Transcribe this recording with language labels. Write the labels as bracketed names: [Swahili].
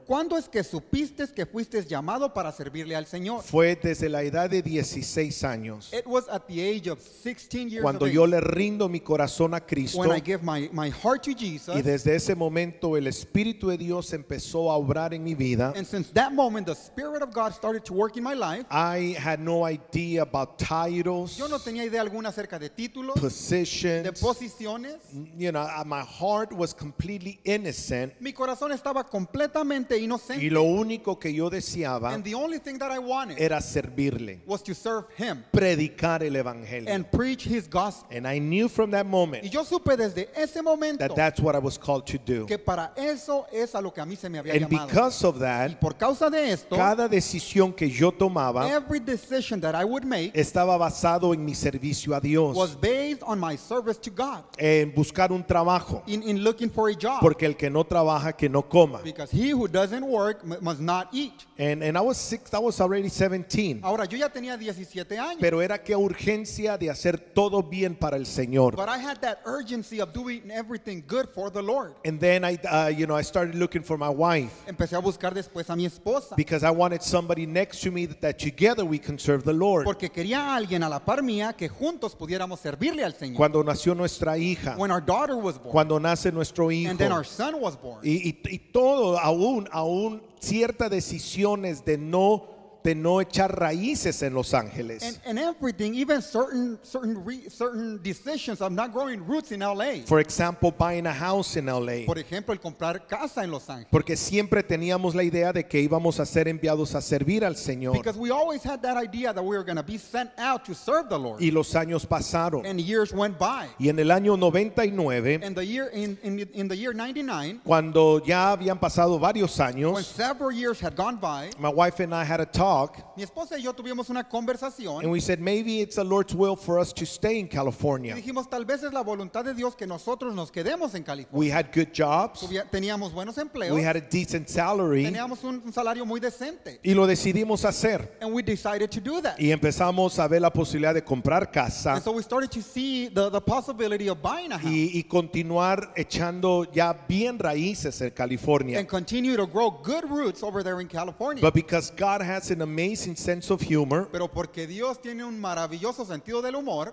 [Spanish] ¿Cuándo es que supiste que fuiste llamado para servirle al Señor? Fue desde la edad de 16 años. [English] It was at the age of 16 years. [Spanish] Cuando yo le rindo mi corazón a Cristo. [English] When I give my heart to Jesus. [Spanish] Y desde ese momento el Espíritu de Dios empezó a obrar en mi vida. [English] And since that moment the Spirit of God started to work in my life. I had no idea about titles. [Spanish] Yo no tenía idea alguna acerca de títulos. [English] Positions. [Spanish] De posiciones. [English] You know, my heart was completely innocent. [Spanish] Mi corazón estaba completamente. Y lo único que yo deseaba era servirle, [English] was to serve him, [Spanish] predicar el evangelio, [English] and preach his gospel. And I knew from that moment, [Spanish] y yo supe desde ese momento, [English] that that's what I was called to do. [Spanish] Que para eso es a lo que a mí se me había [English] and [Spanish] llamado. [English] Because of that, [Spanish] y por causa de esto, cada decisión que yo tomaba, [English] every decision that I would make, [Spanish] estaba basado en mi servicio a Dios, [English] was based on my service to God, [Spanish] en buscar un trabajo, [English] in looking for a job, [Spanish] porque el que no trabaja que no coma, [English] because he who doesn't work must not eat. And I was already 17. [Spanish] Ahora yo ya tenía 17 años. Pero era qué urgencia de hacer todo bien para el Señor. [English] But I had that urgency of doing everything good for the Lord. And then I started looking for my wife. [Spanish] Empecé a buscar después a mi esposa. [English] Because I wanted somebody next to me that together we can serve the Lord. [Spanish] Porque quería alguien a la par mía que juntos pudiéramos servirle al Señor. Cuando nació nuestra hija. [English] When our daughter was born. [Spanish] Cuando nace nuestro hijo. [English] And then our son was born. [Spanish] Y todo aún ciertas decisiones de no de no echar raíces en Los Ángeles. [English] And everything, even certain decisions, I'm not growing roots in LA. For example, buying a house in LA. [Spanish] Por ejemplo, el comprar casa en Los Ángeles. Porque siempre teníamos la idea de que íbamos a ser enviados a servir al Señor. [English] Because we always had that idea that we were going to be sent out to serve the Lord. [Spanish] Y los años pasaron. [English] And years went by. [Spanish] Y en el año 99, [English] in the year 99, [Spanish] cuando ya habían pasado varios años, [English] when several years had gone by, my wife and I had a talk. [Spanish] Mi esposa y yo tuvimos una conversación, [English] and we said, maybe it's the Lord's will for us to stay in California. [Spanish] Y dijimos, tal vez es la voluntad de Dios que nosotros nos quedemos en California. [English] We had good jobs. [Spanish] Teníamos buenos empleos. [English] We had a decent salary. [Spanish] Teníamos un salario muy decente. Y lo decidimos hacer. [English] And we decided to do that. [Spanish] Y empezamos a ver la posibilidad de comprar casa. [English] And so we started to see the possibility of buying a house. [Spanish] Y continuar echando ya bien raíces en California. [English] And continue to grow good roots over there in California. But because God has an amazing sense of humor, [Spanish] pero porque Dios tiene un maravilloso sentido del humor,